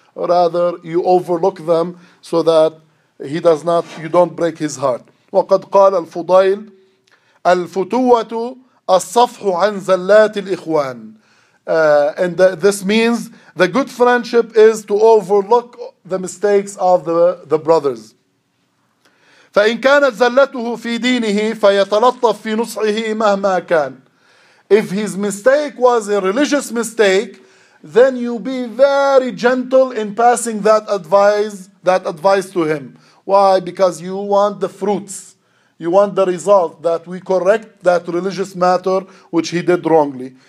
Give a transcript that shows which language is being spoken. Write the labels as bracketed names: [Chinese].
[English] Rather, you overlook them so that you don't break his heart. [Arabic] وقد قال الفضيل: الفتوة الصفح عن زلات الإخوان. [English] And this means the good friendship is to overlook the mistakes of the brothers. [Arabic] فإن كانت زلته في دينه فيتلطف في نصحه مهما كان. [English] If his mistake was a religious mistake, then you be very gentle in passing that advice to him. Why? Because you want the fruits. You want the result that we correct that religious matter which he did wrongly.